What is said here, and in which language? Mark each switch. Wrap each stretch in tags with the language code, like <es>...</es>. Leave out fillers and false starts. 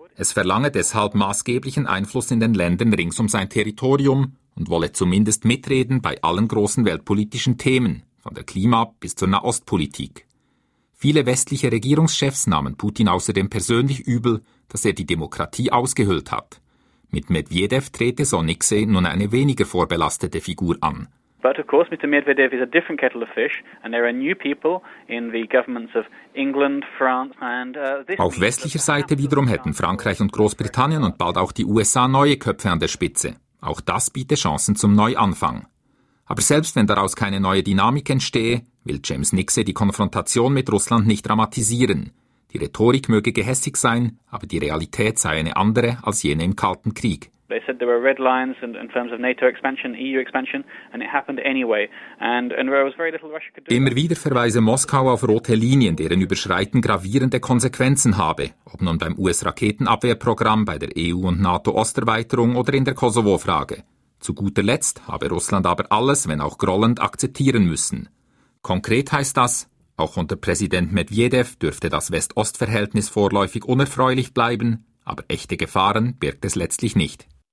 <de>Es verlange deshalb maßgeblichen Einfluss in den Ländern rings um sein Territorium und wolle zumindest mitreden bei allen großen weltpolitischen Themen, von der Klima- bis zur Nahostpolitik. Viele westliche Regierungschefs nahmen Putin außerdem persönlich übel, dass er die Demokratie ausgehöhlt hat. Mit Medvedev trete, so Nixey, nun eine weniger vorbelastete Figur an.</de> <en>But of course Mr. Medvedev is a different kettle of fish and there are new people in the governments of England, France and this.</en> <de>Auf westlicher Seite wiederum hätten Frankreich und Großbritannien und bald auch die USA neue Köpfe an der Spitze. Auch das biete Chancen zum Neuanfang. Aber selbst wenn daraus keine neue Dynamik entstehe, will James Nixey die Konfrontation mit Russland nicht dramatisieren. Die Rhetorik möge gehässig sein, aber die Realität sei eine andere als jene im Kalten Krieg.</de> <en>They said there were red lines in terms of NATO expansion, EU expansion, and it happened anyway. And there was very little Russia could do.</en> <de>Immer wieder verweise Moskau auf rote Linien, deren Überschreiten gravierende Konsequenzen habe, ob nun beim US-Raketenabwehrprogramm, bei der EU- und NATO-Osterweiterung oder in der Kosovo-Frage. Zu guter Letzt habe Russland aber alles, wenn auch grollend, akzeptieren müssen. Konkret heißt das, auch unter Präsident Medvedev dürfte das West-Ost-Verhältnis vorläufig unerfreulich bleiben, aber echte Gefahren birgt es letztlich nicht.</de>